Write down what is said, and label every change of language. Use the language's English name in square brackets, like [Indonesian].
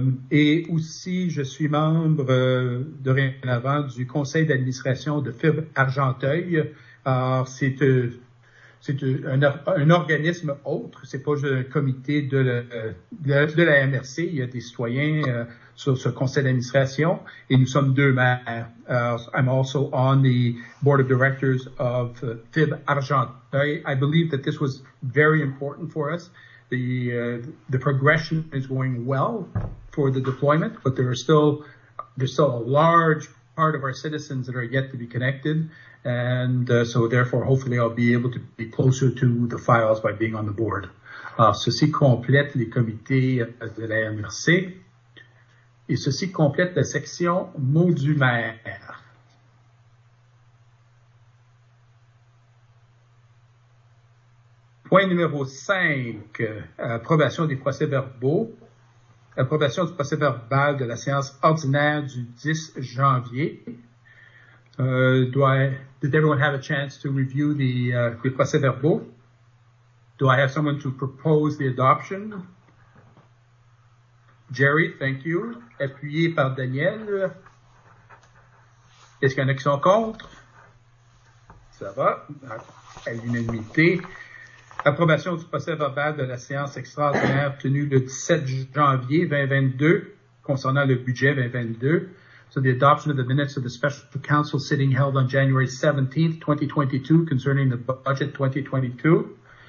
[French] Et aussi, je suis membre dorénavant du conseil d'administration de FIB Argenteuil. Alors, c'est un organisme autre. C'est pas juste un comité de la MRC. Il y a des citoyens sur ce conseil d'administration et nous sommes deux maires. [English] I'm also on the board of directors of FIB Argenteuil. I believe that this was very important for us. The progression is going well for the deployment, but there's still a large part of our citizens that are yet to be connected. And so therefore, hopefully I'll be able to be closer to the files by being on the board. [French] Ceci complète les comités de la MRC. Et ceci complète la section mots du maire. Point numéro 5, approbation des procès-verbaux. Approbation du procès-verbal de la séance ordinaire du 10 janvier. [English] Did everyone have a chance to review the procès-verbaux? Do I have someone to propose the adoption? [French] Jerry, [English] thank you. [French] Appuyé par Daniel. Est-ce qu'il y en a qui sont contre? Ça va, à l'unanimité. Approbation du procès-verbal de la séance extraordinaire tenue le 17 janvier 2022 concernant le budget 2022. [English] So the adoption of the minutes of the special council sitting held on January 17th, 2022 concerning the budget 2022.